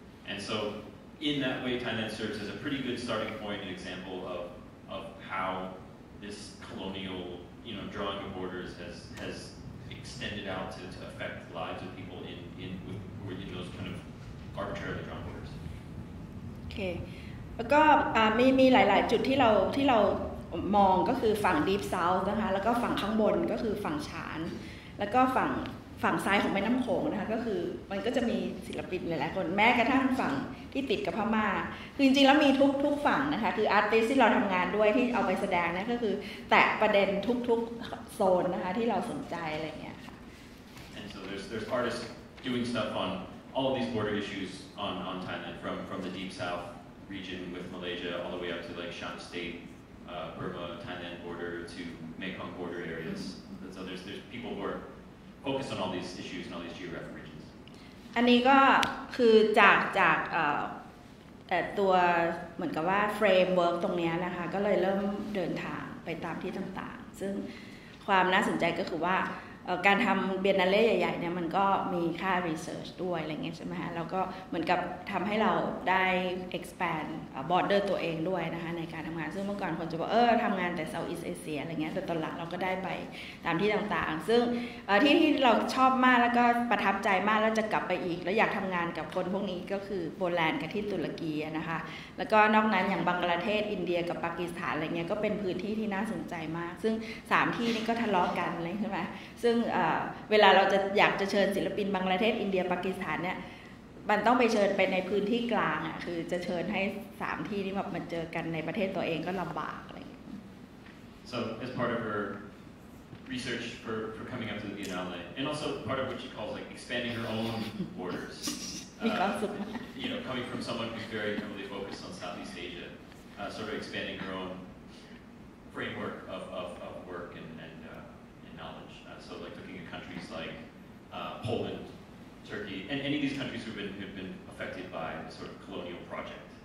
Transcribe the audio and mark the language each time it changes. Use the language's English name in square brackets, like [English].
[English] And so in that way, Thailand serves as a pretty good starting point, an example of how this colonial, you know, drawing of borders has extended out to affect the lives of people in those kind of arbitrarily drawn borders. Okay. [Thai] แล้วก็มีหลายๆจุดที่เรามองก็คือฝั่ง Deep South นะคะแล้วก็ฝั่งข้างบนก็คือฝั่งชานแล้วก็ฝั่งซ้ายของแม่น้ำโขงนะคะก็คือมันก็จะมีศิลปินหลายๆคนแม้กระทั่งฝั่งที่ติดกับพม่าคือจริงๆแล้วมีทุกฝั่งนะคะคืออาร์ติสที่เราทำงานด้วยที่เอาไปแสดงนะก็คือแตะประเด็นทุกโซนนะคะที่เราสนใจอะไรเงี้ยค่ะ [English] And so there's artists doing stuff on all of these border issues on Thailand from the Deep Southregion with Malaysia all the way up to like Shan State, Burma, Thailand border to Mekong border areas. Mm-hmm. So there's people who are focused on all these issues and all these geographic regions. [Thai] อันนี้ก็คือจากตัวเหมือนกับว่า framework ตรงนี้นะคะก็เลยเริ่มเดินทางไปตามที่ต่างๆซึ่งความน่าสนใจก็คือว่าการทำเบียนาเล่ใหญ่ๆเนี่ยมันก็มีค่า research ด้วยอะไรเงี้ยใช่ไหมฮะแล้วก็เหมือนกับทำให้เราได้ [English] expand border [Thai] ตัวเองด้วยนะคะในการทำงานซึ่งเมื่อก่อนคนจะบอกทำงานแต่ Southeast Asia อะไรเงี้ยแต่ตอนหลังเราก็ได้ไปตามที่ต่างๆซึ่ง ที่เราชอบมากแล้วก็ประทับใจมากแล้วจะกลับไปอีกแล้วอยากทำงานกับคนพวกนี้ก็คือโปแลนด์กับที่ตุรกีนะคะแล้วก็นอกนั้นอย่างบังกลาเทศอินเดียกับปากีสถานอะไรเงี้ยก็เป็นพื้นที่ที่น่าสนใจมากซึ่ง3ที่นี่ก็ทะเลาะกันอะไรใช่ไหมซึ่งเวลาเราจะอยากจะเชิญศิลปินบังกลาเทศอินเดียปากีสถานเนี่ยมันต้องไปเชิญไปในพื้นที่กลางอ่ะคือจะเชิญให้3ที่นี้แบบมาเจอกันในประเทศตัวเองก็ลำบากอะไรอย่างเงี้ย [English] So as part of her research for coming up to the Biennale and also part of what she calls like expanding her own borders you know coming from someone who's very heavily focused on Southeast Asia sort of expanding her own framework of work and knowledgeSo like looking at countries like Poland, Turkey, and any of these countries who have been affected by the sort of colonial project.